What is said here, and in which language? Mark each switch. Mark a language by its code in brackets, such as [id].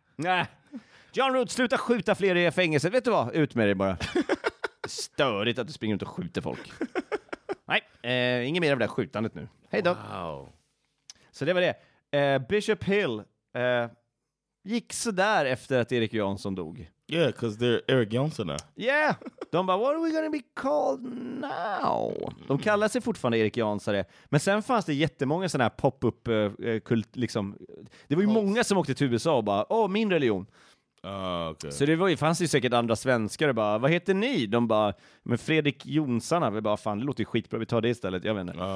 [sv] Nah. John Root, sluta skjuta fler i fängelse. Vet du vad? Ut med dig bara. Störigt att du springer ut och skjuter folk. Nej, inget mer av det här skjutandet nu. Hej då. [en] Wow. [sv] Så det var det. Bishop Hill gick så där efter att Erik Jansson dog. [en] Yeah, because they're Erik-Jansarna. Yeah. [sv] De bara, [en] what are we going to be called now? [sv] De kallar sig fortfarande Erik-Jansare. Men sen fanns det jättemånga sådana här pop-up kult, liksom. Det var ju många som åkte till USA och bara, min religion. [en] Okay. [sv] Så fanns det ju säkert andra svenskar och bara, vad heter ni? De bara, men Fredrik Jonsarna. Vi bara, fan, det låter ju skitbra, vi tar det istället. Jag vet inte.